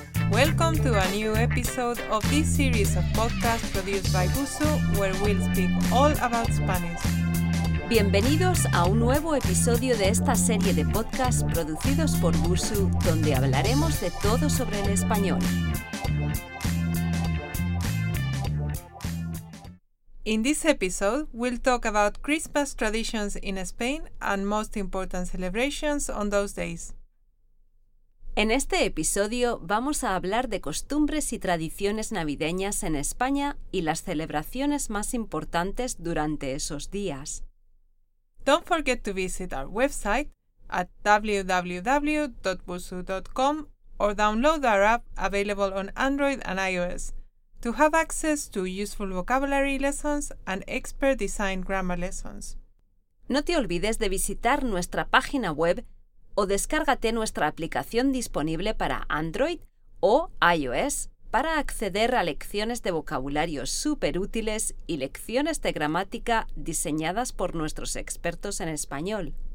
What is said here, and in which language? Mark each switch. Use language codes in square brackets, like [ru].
[en] Welcome to a new episode of this series of podcasts produced by Busuu, where we'll speak all about Spanish. [es] Bienvenidos a un nuevo episodio de esta serie de podcasts producidos por Busuu, donde hablaremos de todo sobre el español. [en] In this episode, we'll talk about Christmas traditions in Spain and most important celebrations on those days. [es] En este episodio vamos a hablar de costumbres y tradiciones navideñas en España y las celebraciones más importantes durante esos días. [en] Don't forget to visit our website at www.busuu.com or download our app available on Android and iOS to have access to useful vocabulary lessons and expert-designed grammar lessons. [es] No te olvides de visitar nuestra página web o descárgate nuestra aplicación disponible para Android o iOS para acceder a lecciones de vocabulario súper útiles y lecciones de gramática diseñadas por nuestros expertos en español.